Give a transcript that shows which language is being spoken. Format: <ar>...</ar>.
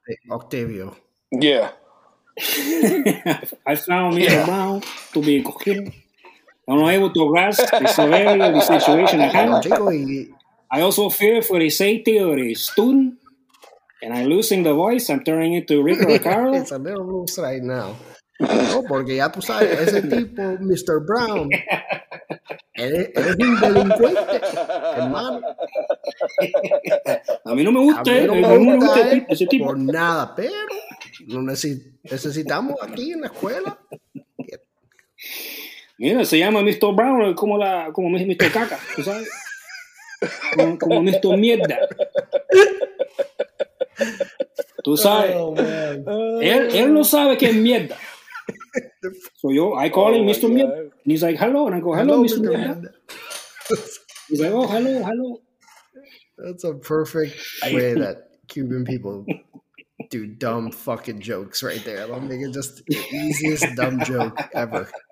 <en>Octavio. Yeah. I found Mr. Brown to be incoherent, unable to grasp the severity of the situation at hand. I also fear for the safety of the student. And I'm losing the voice. I'm turning it to Rico Ricardo. It's a little loose right now.</en> <es>No, porque ya tú sabes, ese tipo, Mr. Brown. Eres un delincuente, hermano. A mí no me gusta, ese tipo. Por nada, pero lo necesitamos aquí en la escuela. Mira, se llama Mr. Brown, como Mr. Caca, tú sabes. Como Mr. Mierda. Tú sabes, él no sabe que es mierda. So yo,</es> <en>I call him Mr. Mierda. And he's like, hello. And I go, hello, Mr. Mierda. He's like, oh, hello. That's a perfect way that Cuban people do dumb fucking jokes right there. I'm making just the easiest dumb joke ever.</en>